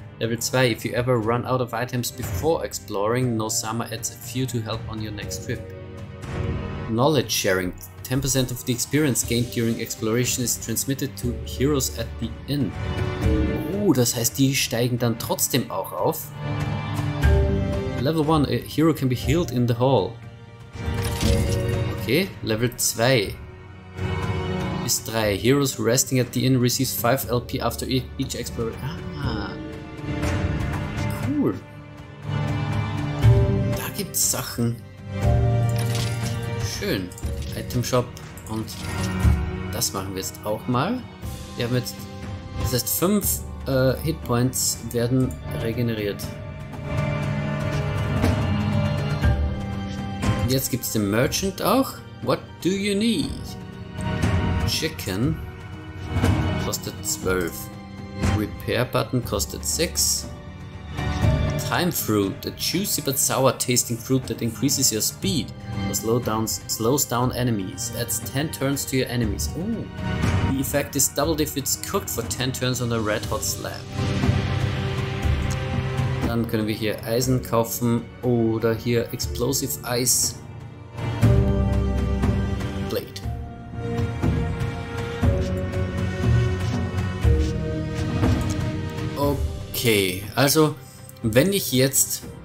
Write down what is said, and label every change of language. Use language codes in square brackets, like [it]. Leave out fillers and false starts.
[en] Level 2, if you ever run out of items before exploring, Noosama adds a few to help on your next trip. Knowledge sharing. 10% of the experience gained during exploration is transmitted to heroes at the inn. [de] Oh, das heißt, die steigen dann trotzdem auch auf. [en] Level 1, a hero can be healed in the hall. Okay, Level 2. [de] Ist 3. [en] Heroes resting at the inn receives 5 LP after each exploration. Ah, cool. [de] Da gibt's Sachen. Schön. Item Shop. Und das machen wir jetzt auch mal. Wir haben jetzt. Das heißt, 5 Hitpoints werden regeneriert. Und jetzt gibt's den Merchant auch. [en] What do you need? [de] Chicken kostet 12. [en] Repair Button [de] kostet 6. [en] Time Fruit, a juicy but sour tasting fruit that increases your speed or slows down enemies, adds 10 turns to your enemies. Oh, the effect is doubled if it's cooked for 10 turns on a red hot slab. [de] Dann können wir hier Eisen kaufen oder hier Explosive Ice Blade. Okay, also wenn ich jetzt...